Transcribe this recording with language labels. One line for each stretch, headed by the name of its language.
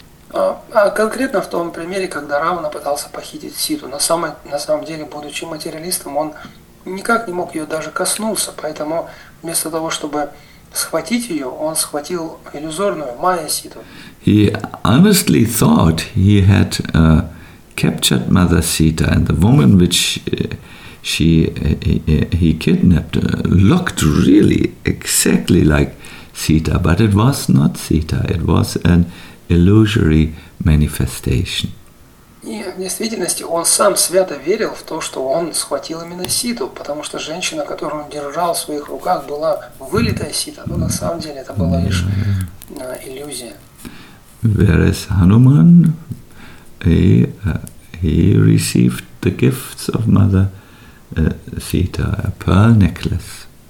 Russian: А конкретно в том примере, когда Равана пытался похитить Ситу, на самом деле, будучи материалистом, он никак не мог ее даже коснуться, поэтому вместо того, чтобы схватить ее, он схватил иллюзорную Майя Ситу.
English: He honestly thought he had captured Mother Sita, and the woman which he kidnapped looked really exactly like Sita, but it was not Sita. It was an illusory manifestation.
Russian: И в действительности он сам свято верил в то, что он схватил именно Ситу, потому что женщина, которую он держал в своих руках, была вылитая Сита, но на самом деле это была лишь иллюзия.
English: Whereas Hanuman, he received the gifts of Mother Sita, a pearl necklace.